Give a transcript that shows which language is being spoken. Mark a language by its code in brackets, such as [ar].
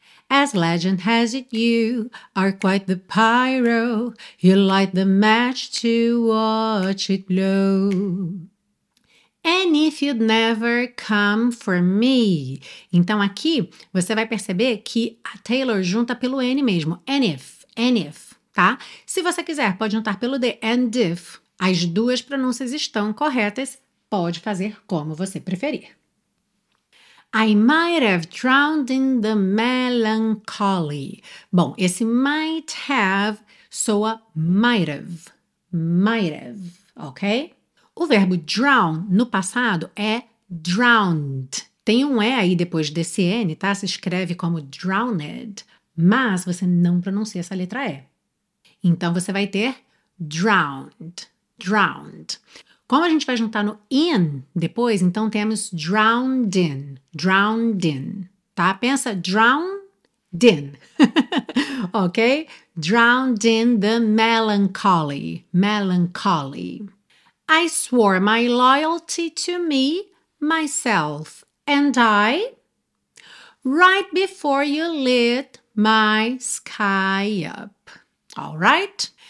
[en] As legend has it, you are quite the pyro. You light the match to watch it blow. And if you'd never come for me. [pt] Então aqui você vai perceber que a Taylor junta pelo N mesmo. [en] And if. [pt] Tá? Se você quiser, pode juntar pelo D, [en] and if. [pt] As duas pronúncias estão corretas, pode fazer como você preferir. [en] I might have drowned in the melancholy. [pt] Bom, esse [en] might have [pt] soa might have. [en] Might have, ok? [pt] O verbo drown no passado é drowned. Tem um E aí depois desse N, tá? Se escreve como drowned, mas você não pronuncia essa letra E. Então, você vai ter drowned, drowned. Como a gente vai juntar no in depois, então temos [en] drowned in, [pt] tá? Pensa drown Din. Okay? [en] Drowned in the melancholy. Melancholy. I swore my loyalty to me, myself, and I, right before you lit my sky up. All right?